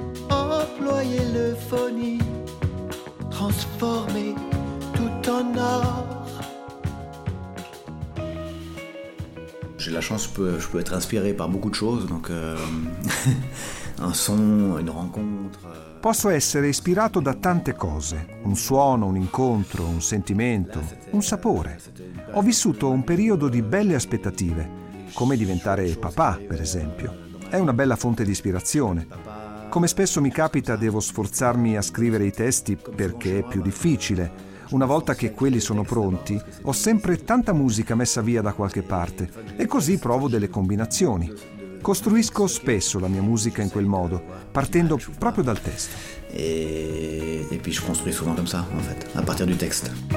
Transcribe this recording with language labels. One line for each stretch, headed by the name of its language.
French: Employer l'euphonie. Transformé tout en or. J'ai la chance, je peux être inspiré par beaucoup de choses, donc un son, une rencontre.
Italian: Posso essere ispirato da tante cose, un suono, un incontro, un sentimento, un sapore. Ho vissuto un periodo di belle aspettative, come diventare papà, per esempio. È una bella fonte di ispirazione. Come spesso mi capita, devo sforzarmi a scrivere i testi perché è più difficile. Una volta che quelli sono pronti, ho sempre tanta musica messa via da qualche parte e così provo delle combinazioni. Costruisco spesso la mia musica in quel modo, partendo proprio dal testo. E poi
French: je construis souvent comme ça, en fait, à partir du texte.